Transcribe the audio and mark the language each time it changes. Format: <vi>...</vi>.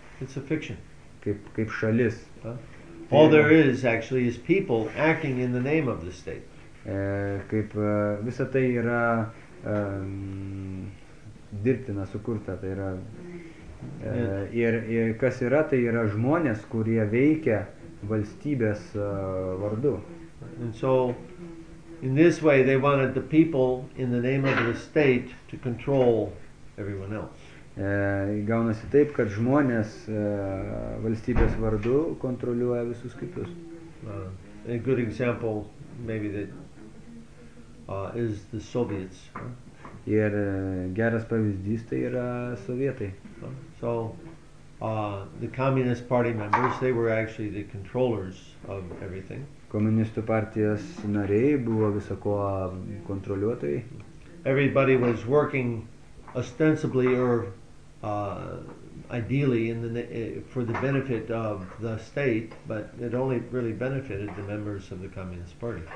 <en>It's a fiction.</en> <lt>Kaip šalis.</lt> <en>All there is actually is people acting in the name of the state.</en> <lt>Kaip visa tai yra dirbtina, sukurta, tai yra ir kas yra, tai yra žmonės, kurie veikia valstybės vardu.</lt> <en>And so in this way they wanted the people in the name of the state to control everyone else.</en> <lt>Gaunasi taip, kad žmonės valstybės vardu kontroliuoja visus kitus.</lt> <en>A good example maybe that is the Soviets.</en> <lt>Ir geras pavyzdys tai yra sovietai.</lt> <en>So the Communist Party members, they were actually the controllers of everything.</en> <lt>Komunistų partijos nariai buvo viso ko kontroliuotojai.</lt> <en>Everybody was working ostensibly or ideally for the benefit of the state, but it only really benefited the members of the Communist Party.</en>